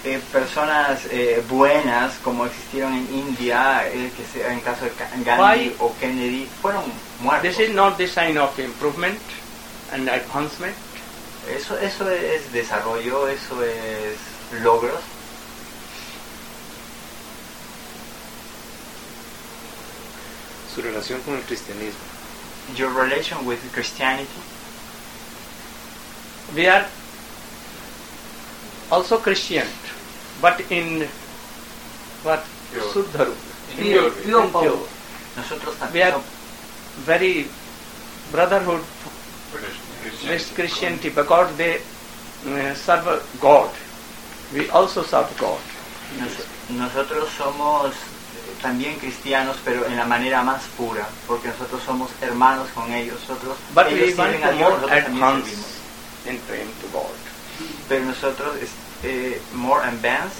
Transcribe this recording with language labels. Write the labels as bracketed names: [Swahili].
[Spanish] Personas buenas como existieron en India, que sea, en caso de Gandhi [English] Why? [Spanish] O Kennedy, fueron muertos. [English] This is not the sign of improvement and advancement. [Spanish] Eso es desarrollo, eso es logros. Su relación con el cristianismo. [English] Your relation with Christianity. We are also Christian, but in what? [Sanskrit] Shuddha Rupa. [English] We are very brotherhood with Christianity because they serve God. We also serve God. [Spanish] Nosotros somos también cristianos, pero en la manera más pura, porque nosotros somos hermanos con ellos. Nosotros, [English] but [Spanish] ellos [English] we want to more advance in praying to God. [Spanish] Pero nosotros [English] more advanced.